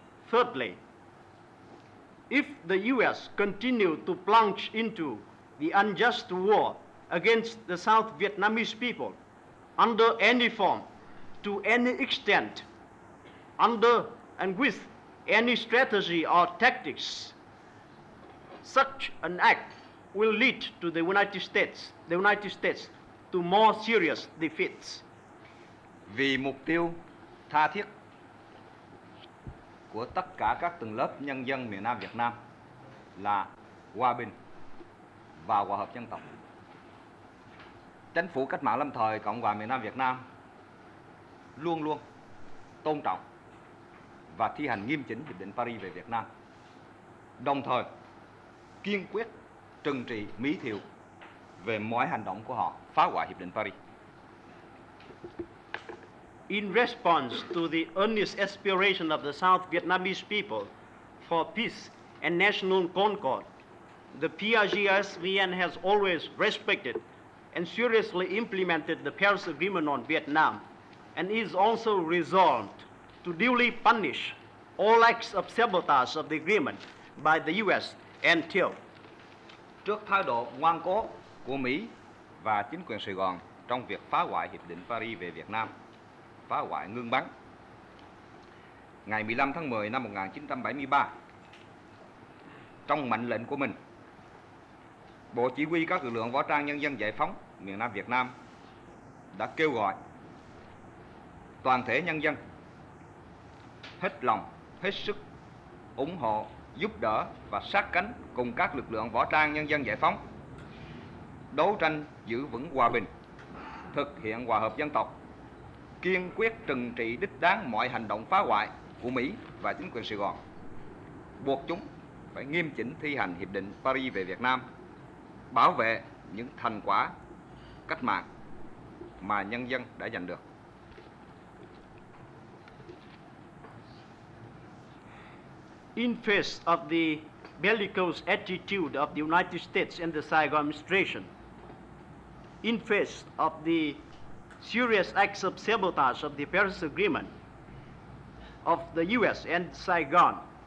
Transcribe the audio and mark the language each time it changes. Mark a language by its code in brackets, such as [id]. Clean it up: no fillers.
[en] Thirdly, if the US continue to plunge into the unjust war against the South Vietnamese people under any form, to any extent, under and with any strategy or tactics, such an act will lead to the United States, to more serious defeats. [vi] Vì mục tiêu tha thiết của tất cả các tầng lớp nhân dân miền Nam Việt Nam là hòa bình và hòa hợp dân tộc. Chính phủ cách mạng lâm thời Cộng hòa miền Nam Việt Nam luôn luôn tôn trọng và thi hành nghiêm chỉnh Hiệp định Paris về Việt Nam, đồng thời kiên quyết trừng trị Mỹ Thiệu về mọi hành động của họ phá hoại Hiệp định Paris. [en] In response to the earnest aspiration of the South Vietnamese people for peace and national concord, the PRGSVN has always respected and seriously implemented the Paris Agreement on Vietnam and is also resolved to duly punish all acts of sabotage of the agreement by the US and TIL. [vi] Trước thái độ ngoan cố của Mỹ và chính quyền Sài Gòn trong việc phá hoại Hiệp định Paris về Việt Nam, phá hoại ngưng bắn. Ngày 15 tháng 10 năm 1973, trong mệnh lệnh của mình, Bộ Chỉ huy các lực lượng võ trang nhân dân giải phóng miền Nam Việt Nam đã kêu gọi toàn thể nhân dân hết lòng, hết sức ủng hộ, giúp đỡ và sát cánh cùng các lực lượng võ trang nhân dân giải phóng đấu tranh giữ vững hòa bình, thực hiện hòa hợp dân tộc, kiên quyết trừng trị đích đáng mọi hành động phá hoại của Mỹ và chính quyền Sài Gòn, buộc chúng phải nghiêm chỉnh thi hành Hiệp định Paris về Việt Nam, bảo vệ những thành quả cách mạng mà nhân dân đã giành được. [en] In face of the bellicose attitude of the United States and the Saigon administration, in face of the serious acts of sabotage of the Paris Agreement of the US and Saigon,